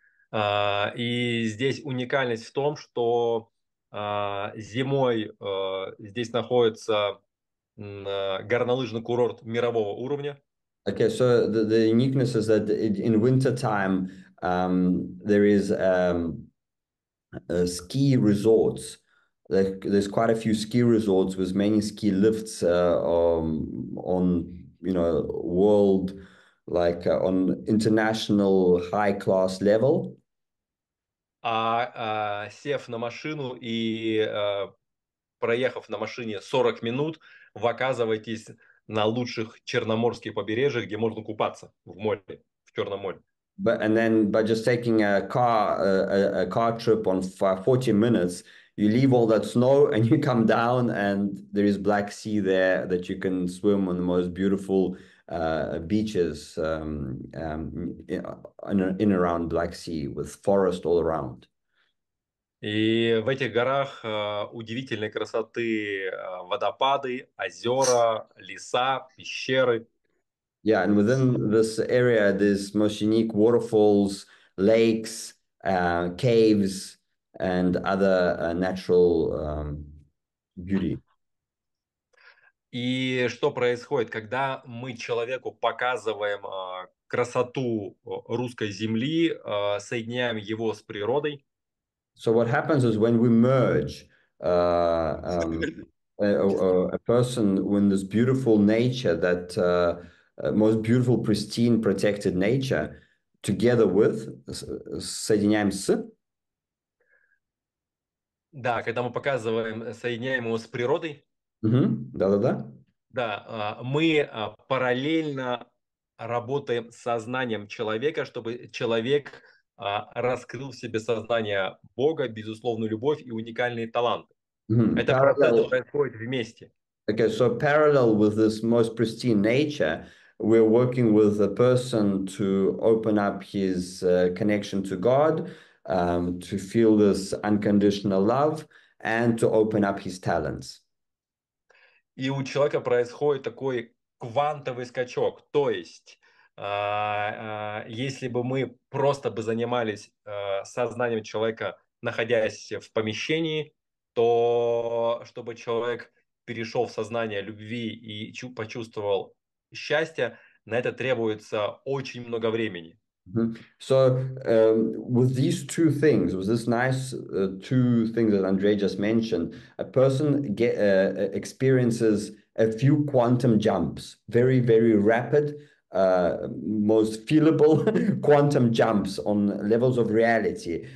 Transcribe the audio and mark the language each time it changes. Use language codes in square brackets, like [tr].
[ru] И здесь уникальность в том, что зимой здесь находится горнолыжный курорт мирового уровня. [en] Okay, so the uniqueness is that in winter time there is ski resorts. There's quite a few ski resorts with many ski lifts on world like on international high class level. [ru] А сев на машину и проехав на машине 40 минут, вы оказываетесь на лучших черноморских побережьях, где можно купаться в море, в Черном море. [en] But and then by just taking a car trip on 40 minutes, you leave all that snow and you come down and there is Black Sea there that you can swim on the most beautiful beaches in around Black Sea with forest all around. [ru] И в этих горах удивительной красоты водопады, озера, леса, пещеры. [en] Yeah, and within this area, there's most unique waterfalls, lakes, caves, and other natural beauty. [ru] И что происходит, когда мы человеку показываем красоту русской земли, соединяем его с природой? [en] So what happens is when we merge, a person in this beautiful nature that. Most beautiful, pristine, protected nature, together with [ru] соединяемся. Да, когда мы показываем, соединяем его с природой, Да. да, мы параллельно работаем с сознанием человека, чтобы человек раскрыл в себе сознание Бога, безусловную любовь и уникальные таланты. Это процесс [en] Parallel. [ru] происходит вместе. [en] Okay, so parallel with this most pristine nature. We're working with a person to open up his connection to God, to feel this unconditional love, and to open up his talents. [ru] И у человека происходит такой квантовый скачок. То есть, если бы мы просто бы занимались сознанием человека, находясь в помещении, то чтобы человек перешел в сознание любви и почувствовал счастье, на это требуется очень много времени. [en] So, with these two things, with this nice two things that Andrei just mentioned, a person experiences a few quantum jumps, very, very rapid, most feelable quantum jumps on levels of reality.